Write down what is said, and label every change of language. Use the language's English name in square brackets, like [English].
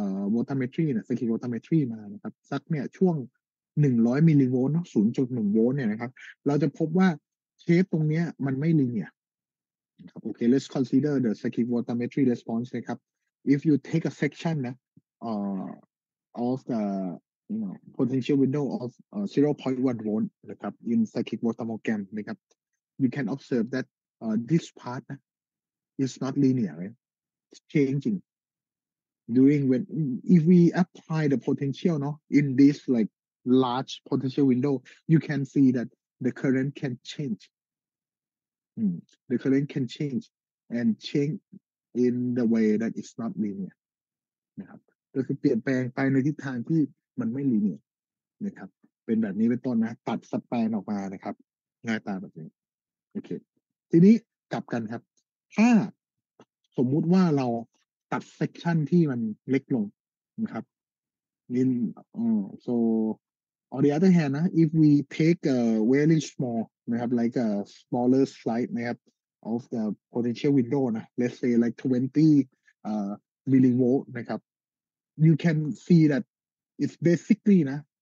[Thai] โวลทาเมตรีนะไซคลิกโวลทาเมตรีมานะครับสักเนี่ยช่วง100มิลลิโวลต์เนาะ 0.1 โวลต์เนี่ยนะครับเราจะพบว่าเชฟตรงนี้มันไม่ลิเนียร์นะครับโอเค [English] let's consider the cyclic voltammetry response นะครับ if you take a section นะ of the potential window of 0.1 โวลต์นะครับ in cyclic voltammogram นะครับ you can observe that this part นะ is not linear right? changing during when if we apply the potential เนาะ in this likeLarge potential window, you can see that the current can change. The current can change and change in the way that it's not linear. [Thai] นะครับก็คือเปลี่ยนแปลงไปในทิศทางที่มันไม่ลีเนียร์นะครับเป็นแบบนี้เป็นต้นนะตัดสแปนออกมานะครับง่ายตาแบบนี้โอเคทีนี้กลับกันครับถ้า สมมุติว่าเราตัดเซกชันที่มันเล็กลงนะครับ [English] in so on the other hand นะ if we take a very small นะครับ like a smaller slice นะครับ of the potential window นะ let's say like 20 millivolt นะครับ you can see that it's basically นะ